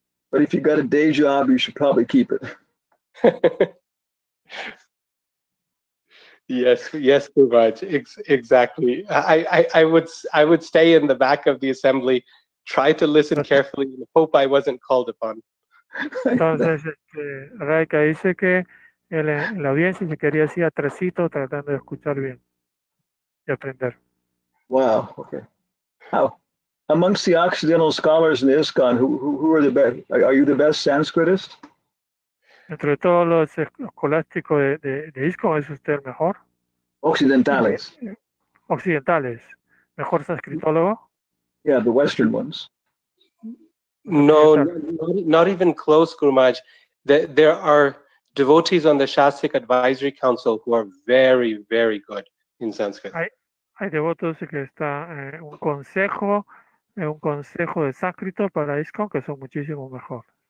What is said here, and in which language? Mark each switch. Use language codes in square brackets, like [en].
[en] But if you got a day job, you should probably keep it. Yes, Kuvaj, exactly. I would stay in the back of the assembly, try to listen carefully, and hope I wasn't called upon. [es] Entonces, Raika dice que la audiencia se quería así atrasito, tratando de escuchar bien y aprender. [en] Wow, okay. How? Amongst the Occidental scholars in ISKCON, who are the best? Are you the best Sanskritist? [es] Entre todos los escolásticos de ISKCON, ¿es usted el mejor? Occidentales. Occidentales. ¿Mejor sanscritólogo? [en] Yeah, the Western ones. No, not even close, Gurumaj. There are devotees on the Shastic Advisory Council who are very, very good in Sanskrit. [es] Hay devotos que está un consejo de sánscrito para ISKCON que son muchísimo mejor.